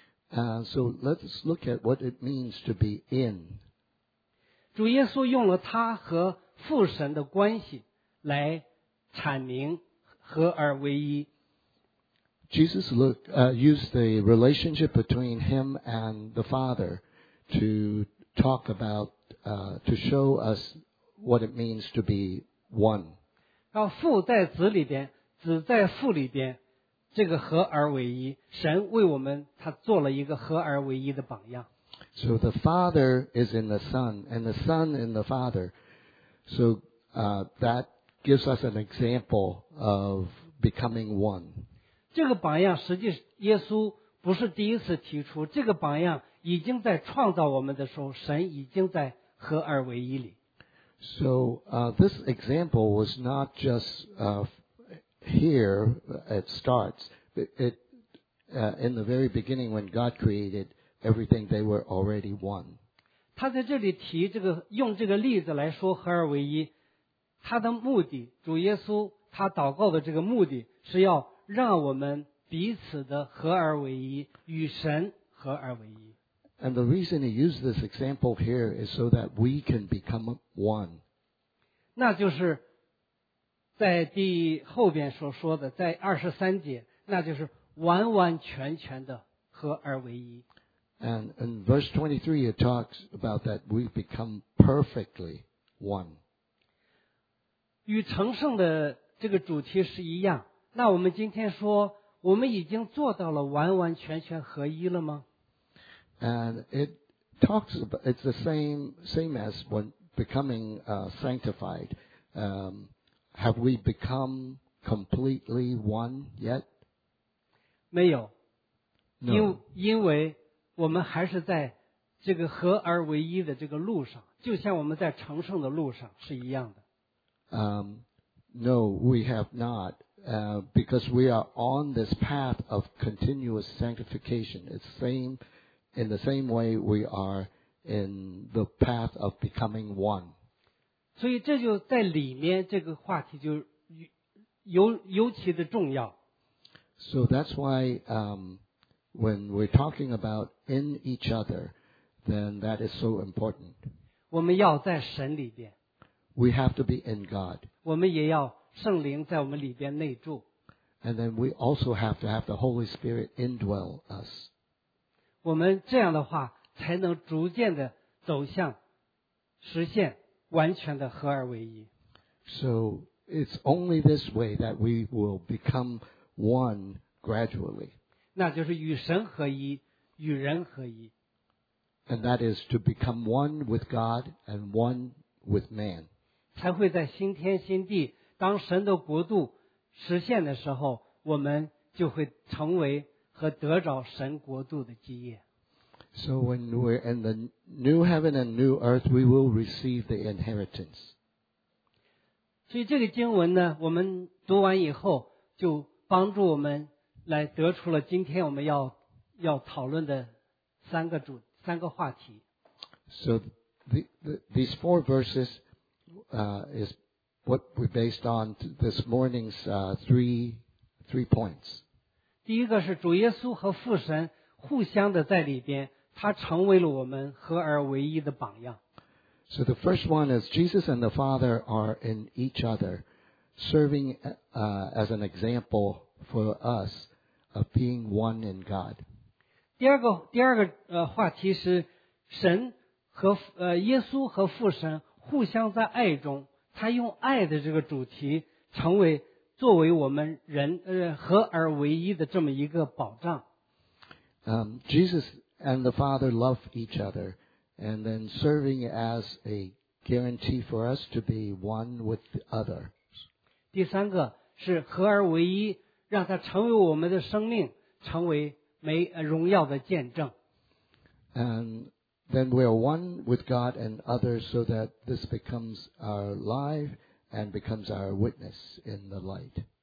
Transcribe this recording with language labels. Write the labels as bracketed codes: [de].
[en] So let's look at what it means to be in. [zh] 主耶稣用了他和父神的关系来阐明合而为一。 [en] Jesus used the relationship between him and the Father to talk about, to show us what it means to be one. [zh] 让父在子里边，子在父里边，这个合而为一，神为我们他做了一个合而为一的榜样。 [en] So the Father is in the Son, and the Son in the Father. So that gives us an example of becoming one. [zh] 这个榜样实际耶稣不是第一次提出，这个榜样已经在创造我们的时候，神已经在合而为一里。 [en] So this example was not just here it starts. In the very beginning when God created everything, they were already one. [zh] 他在这里提这个，用这个例子来说合而为一，他的目的，主耶稣他祷告的这个目的是要让我们彼此的合而为一，与神合而为一。 [en] And the reason he used this example here is so that we can become one. [zh] 那就是在第后边所说的，在二十三节，那就是完完全全的合而为一。 [en] And in verse 23, it talks about that we become perfectly one. [zh] 与成圣的这个主题是一样。那我们今天说，我们已经做到了完完全全合一了吗？ [en] And it talks about, it's the same as when becoming sanctified. Have we become completely one yet? [zh] 没有。 [en] No. [zh] 因为我们还是在这个合而为一的这个路上，就像我们在成圣的路上是一样的。 [en] No, we have not. Because we are on this path of continuous sanctification. In the same way we are in the path of becoming one. [zh] 所以这就在里面这个话题就尤其的重要。 [en] So that's why, when we're talking about in each other, then that is so important. [zh] 我们要在神里边。 [en] We have to be in God. [zh] 我们也要圣灵在我们里边内住。 [en] And then we also have to have the Holy Spirit indwell us. [zh] 我们这样的话才能逐渐的走向实现完全的合而为一。 [en] So it's only this way that we will become one gradually. [zh] 那就是与神合一，与人合一。 [en] And that is to become one with God and one with man. [zh] 才会在新天新地，当神的国度实现的时候，我们就会成为和得着神国度的基业。 [en] So when we're in the new heaven and new earth, we will receive the inheritance. [zh] 所以这个经文呢，我们读完以后就帮助我们来得出了今天我们要讨论的三个话题。 [en] So these four verses is what we based on this morning's three points. [zh] 第一个是主耶稣和父神互相的在里边，他成为了我们合而为一的榜样。 [en] So the first one is Jesus and the Father are in each other, serving as an example for us of being one in God. [zh] 第二个话题是神和耶稣和父神互相在爱中，他用爱的这个主题成为作为我们人合而为一的这么一个保障。 [en] Jesus and the Father love each other. And then serving as a guarantee for us to be one with the other. [zh] 第三个是合而为一，让它成为我们的生命，成为美荣耀的见证。 [en] And then we are one with God and others so that this becomes our life and becomes our witness in the light.